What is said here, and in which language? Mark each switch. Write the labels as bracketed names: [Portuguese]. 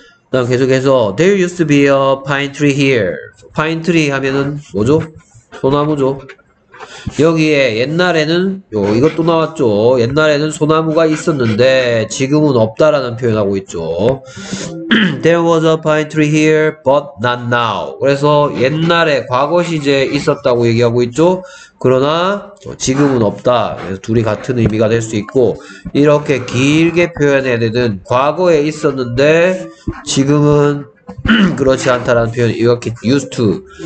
[Korean] 다음 계속해서 [English] There used to be a pine tree here. pine tree [Korean] 하면은 뭐죠? 소나무죠. 여기에 옛날에는 이것도 나왔죠. 옛날에는 소나무가 있었는데 지금은 없다라는 표현하고 있죠. [English] There was a pine tree here, but not now. [Korean] 그래서 옛날에 과거 시제에 있었다고 얘기하고 있죠. 그러나 지금은 없다. 그래서 둘이 같은 의미가 될수 있고 이렇게 길게 표현해야 되는 과거에 있었는데 지금은 그렇지 않다라는 표현 이렇게 used to.